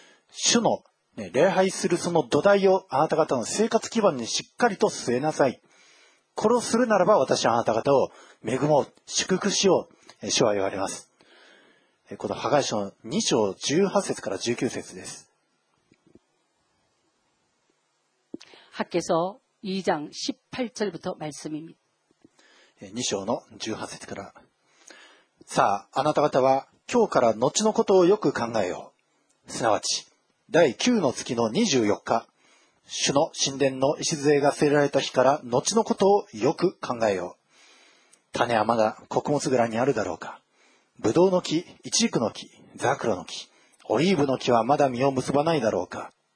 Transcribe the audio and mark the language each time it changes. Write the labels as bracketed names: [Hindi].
[Japanese] 主の、ね、礼拝するその土台をあなた方の生活基盤にしっかりと据えなさい。これをするならば私はあなた方を恵もう、祝福しよう、主は言われます。このハガイ書の2章18節から19節です。 [Korean] 학에서2장18절부터말씀입니다 [Japanese] 2章の18節から。さあ、あなた方は今日から後のことをよく考えよう。すなわち、第9の月の24日、主の神殿の礎が据えられた日から後のことをよく考えよう。種はまだ穀物蔵にあるだろうか。ブドウの木、イチジクの木、ザクロの木、オリーブの木はまだ実を結ばないだろうか。